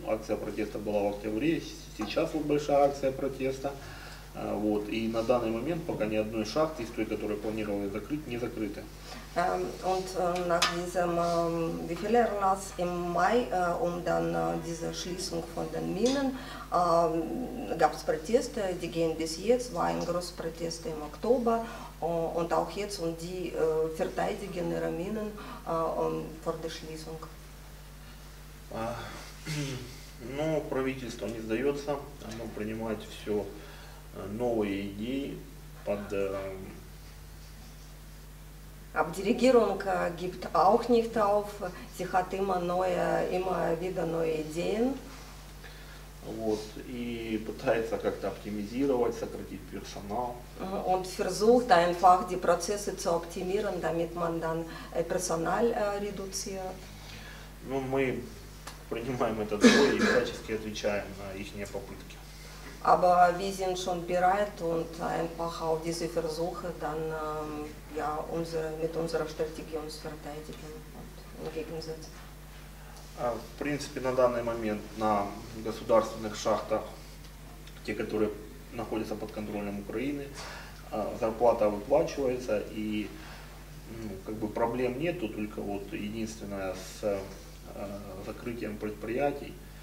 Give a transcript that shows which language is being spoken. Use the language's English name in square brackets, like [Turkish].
[Russian] Акция протеста была в октябре, сейчас вот большая акция протеста. Вот. И на данный момент пока ни одной шахты из той, которую планировали закрыть, не закрыты. [German] Und nach diesem Befehlerlass im Mai, um dann diese Schließung von den Minen, gab es Proteste, die gehen bis jetzt, war ein großer Protest im Oktober und auch jetzt, und die verteidigen ihre Minen vor der Schließung. [Russian] Но правительство не сдается, оно принимает все новые идеи под... [German] Абдиригирунг gibt auch nicht auf, sie hat immer wieder neue Ideen. [Russian] Вот, и пытается как-то оптимизировать, сократить персонал. [German] Und versucht einfach die Prozesse zu optimieren, damit man dann Personal reduziert. [Russian] Ну, мы... принимаем это двое и всячески отвечаем на ихние попытки. [German] Aber wir sind schon bereit und einfach auf diese Versuche dann ja unsere mit unserer Strategie uns verteidigen und gegensetzen. [Russian] В принципе, на данный момент на государственных шахтах, те, которые находятся под контролем Украины, зарплата выплачивается и как бы проблем нету, только вот единственное с закрытием предприятий.